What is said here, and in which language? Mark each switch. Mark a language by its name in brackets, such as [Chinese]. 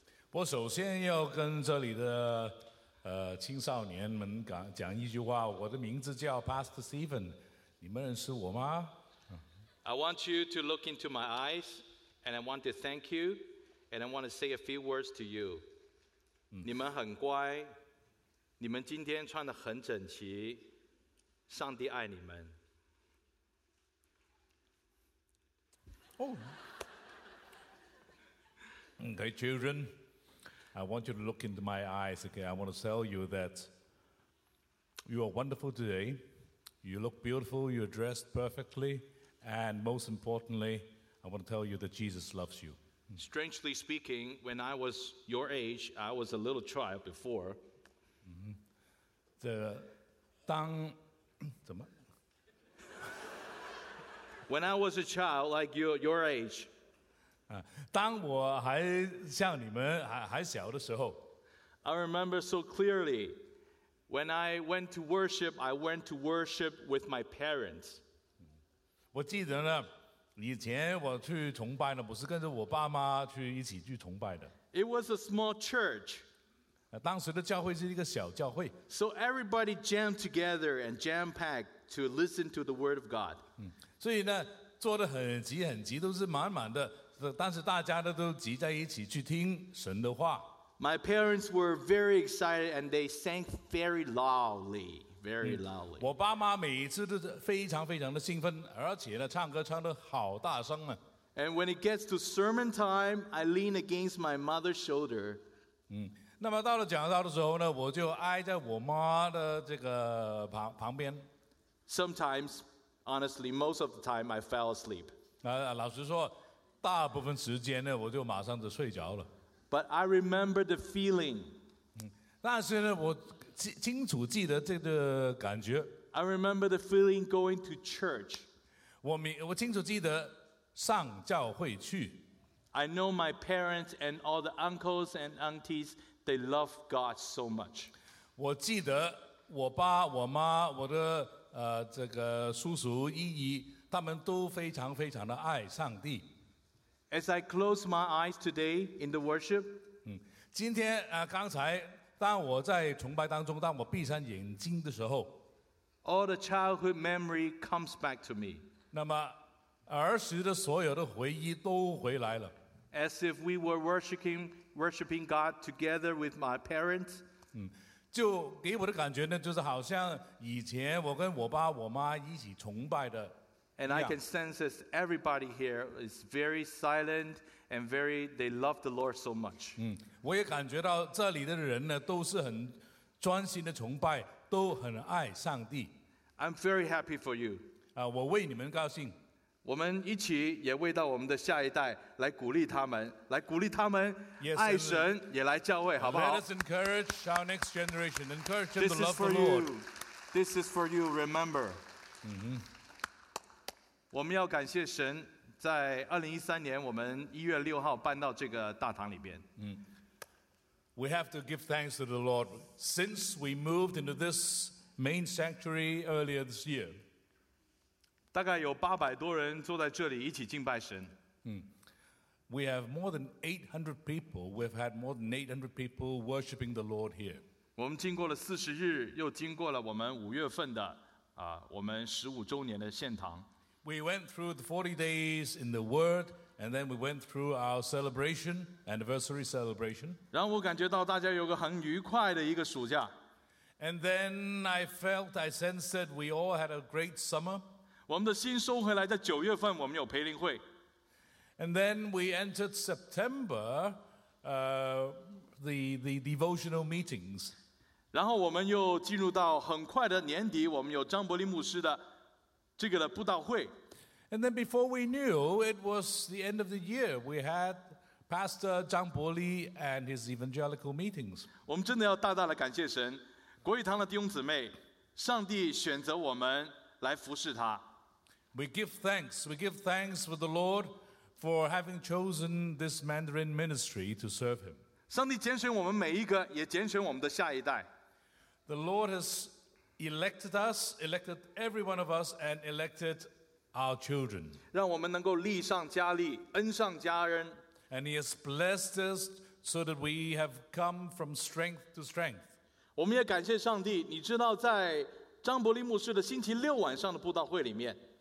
[Chinese] 我首先要跟这里的青少年们讲一句话，我的名字叫 Pastor Stephen， 你们认识我吗？ [English] I want you to look into my eyes, and I want to thank you, and I want to say a few words to you. [Chinese] 你们很乖，你们今天穿得很整齐，上帝爱你们。 Oh. [English] Okay, children, I want you to look into my eyes. Okay, I want to tell you that you are wonderful today. You look beautiful, you're dressed perfectly, and most importantly, I want to tell you that Jesus loves you. Strangely speaking, when I was your age, I was a little child before. Mm-hmm. [Chinese] 怎么？ [English] When I was a child, like your age, [Chinese] 当我还像你们还小的时候 [English] ，I remember so clearly when I went to worship. I went to worship with my parents. [Chinese] 我记得呢，以前我去崇拜呢，不是跟着我爸妈去一起去崇拜的。 [English] It was a small church. [Chinese] 当时的教会是一个小教会。 [English] So everybody jammed together and jam packed to listen to the word of God. [Chinese] 所以呢，坐得很急很急，都是满满的。但是大家都挤在一起去听神的话。 [English] My parents were very excited and they sang very loudly, very loudly. [Chinese] 我爸妈每一次都非常非常的兴奋，而且呢，唱歌唱得好大声啊。 [English] And when it gets to sermon time, I lean against my mother's shoulder. [Chinese] 那么到了讲道的时候呢，我就挨在我妈的这个旁边。 [English] Sometimes. Honestly, most of the time, I fell asleep. [Chinese] 老实说，大部分时间呢，我就马上就睡着了。 [English] But I remember the feeling. [Chinese] 但是呢，我清楚记得这个感觉。 [English] I remember the feeling going to church. [Chinese] 我清楚记得上教会去。 [English] I know my parents and all the uncles and aunties, they love God so much. [Chinese] 我记得我爸、我妈、我的这个叔叔姨姨，他们都非常非常的爱上帝。 [English] As I close my eyes today in the worship, [Chinese] 今天刚才当我在崇拜当中，当我闭上眼睛的时候 [English] ，All the childhood memory comes back to me. [Chinese] 那么儿时的所有的回忆都回来了。 [English] As if we were worshiping God together with my parents. [Chinese] 就给我的感觉呢，就是好像以前我跟我爸我妈一起崇拜的。 [English] And I can sense that everybody here is very silent and very they love the Lord so much. [Chinese] 我也感觉到这里的人呢都是很专心的崇拜，都很爱上帝。 [English] I'm very happy for you. [Chinese] 我为你们高兴。我们一起也为到我们的下一代来鼓励他们，来鼓励他们爱神，也来教会，好不好 [English] ？Let us encourage our next generation. Encourage them to love the Lord. This is for you. This is for you. Remember. [Chinese] 我们要感谢神，在2013年我们1月6号搬到这个大堂里边。 [English] We have to give thanks to the Lord since we moved into this main sanctuary earlier this year. [Chinese] 大概有800多人坐在这里一起敬拜神。 [English] We have more than 800 people. We've had more than 800 people worshiping the Lord here. [Chinese] 我们经过了40日，又经过了我们5月份的我们15周年的献堂。 [English] We went through the 40 days in the Word, and then we went through our celebration, anniversary celebration. [Chinese] 然后我感觉到大家有个很愉快的一个暑假。 [English] And then I sensed that we all had a great summer. [Chinese] 我们的新收回来，在九月份我们有培灵会。 [English] And then we entered September, the devotional meetings. [Chinese] 然后我们又进入到很快的年底，我们有张伯林牧师的这个的布道会。 [English] And then before we knew it was the end of the year, we had Pastor 张伯林 and his evangelical meetings. [Chinese] 我们真的要大大的感谢神，国语堂的弟兄姊妹，上帝选择我们来服侍他。 [English] We give thanks. We give thanks for the Lord for having chosen this Mandarin ministry to serve Him. [Chinese] 上帝拣选我们每一个，也拣选我们的下一代。 [English] The Lord has elected us, elected every one of us, and elected our children. [Chinese] 让我们能够立上加立，恩上加恩。 [English] And He has blessed us so that we have come from strength to strength. [Chinese] 我们也感谢上帝，你知道在张伯苓牧师的星期六晚上的布道会里面。